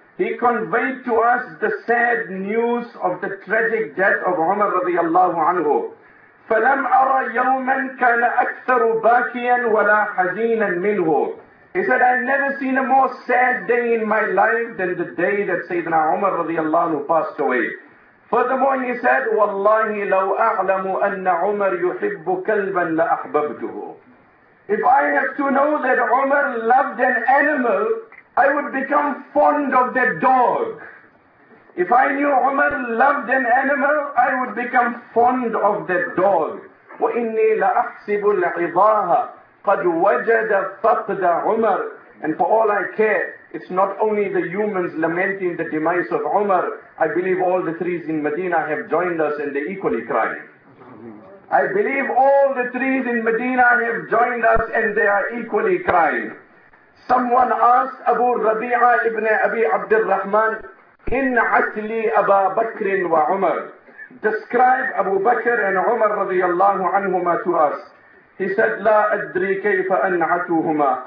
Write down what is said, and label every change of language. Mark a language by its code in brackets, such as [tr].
[en] He conveyed to us the sad news of the tragic death of Umar radiallahu anhu. [ar] فَلَمْ أَرَى يَوْمًا كَانَ أَكْثَرُ بَاكِيًا وَلَا حَزِينًا مِنْهُ. [en] He said, I've never seen a more sad day in my life than the day that Sayyidina Umar radiallahu anhu passed away. Furthermore, he said, [ar] وَاللَّهِ لَوْ أَعْلَمُ أَنَّ عُمَرْ يُحِبُّ كَلْبًا لَأَحْبَبْتُهُ. [en] If I have to know that Umar loved an animal, I would become fond of that dog. If I knew Umar loved an animal, I would become fond of that dog. [ar] وَإِنِّي لَأَحْسِبُ الْعِضَاهَ قَدْ وَجَدَ فَقْدَ عُمَرَ. [en] And for all I care, it's not only the humans lamenting the demise of Umar. I believe all the trees in Medina have joined us and they equally cry. I believe all the trees in Medina have joined us and they are equally crying. Someone asked Abu Rabi'a ibn Abi Abdul Rahman, [ar] in atli Abu Bakr wa Umar. [en] Describe Abu Bakr and Umar radiyallahu anhuma to us. He said, [ar] لا أدري كيف أنعتهما.